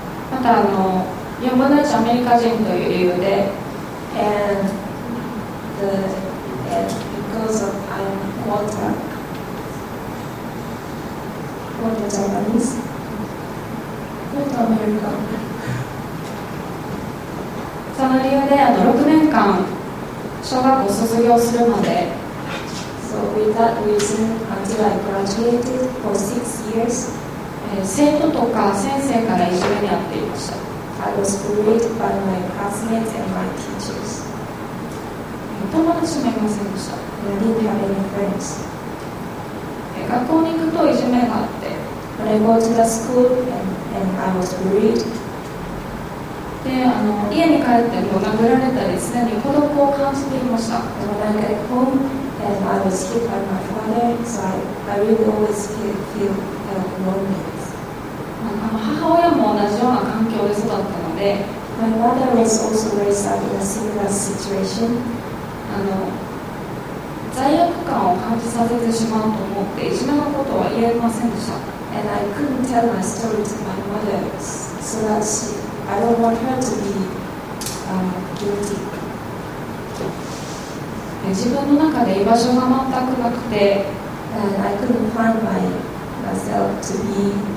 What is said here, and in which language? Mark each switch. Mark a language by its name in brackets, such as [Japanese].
[Japanese] また4分の1アメリカ人という理由で、 [English] and the because of I'm quarter quarter Japanese quarter American [Japanese] その理由で6年間小学校卒業するまで、 [English] so with that reason until I graduated for 6 years [Japanese] 生徒とか先生からいじめにあっていました。 [English] I was bullied by my classmates and my teachers. [Japanese] 友達もいませんでした。 [English] I didn't have any friends. [Japanese] 学校に行くといじめがあって、 [English] when I go to the school and I was bullied. [Japanese] 家に帰っても殴られたり、すでに孤独を感じていました。 [English] When I get home and I was hit by my father, so I really always feel lonely. [Japanese] 母親も同じような環境で育ったので、 [English] My mother was also raised up in a similar situation. [Japanese] 罪悪感を感じさせてしまうと思っていじめのことは言えませんでした。 [English] And I couldn't tell my story to my mother so that she, I don't want her to be guilty. [Japanese] 自分の中で居場所が全くなくて、 [English] And I couldn't find myself to be